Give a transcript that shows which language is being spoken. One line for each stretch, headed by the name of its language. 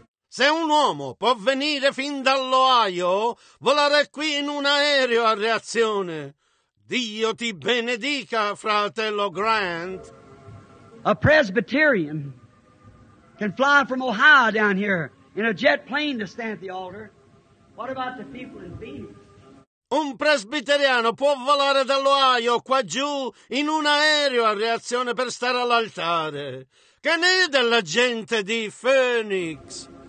Italian: Se un uomo può venire fin dall'Ohio, volare qui in un aereo a reazione. Dio ti benedica, fratello Grant.
English: A Presbyterian can fly from Ohio down here in a jet plane to stand at the altar. What about the people in Phoenix?
Italian: Un presbiteriano può volare dall'Ohio qua giù in un aereo a reazione per stare all'altare. Che ne è della gente di Phoenix?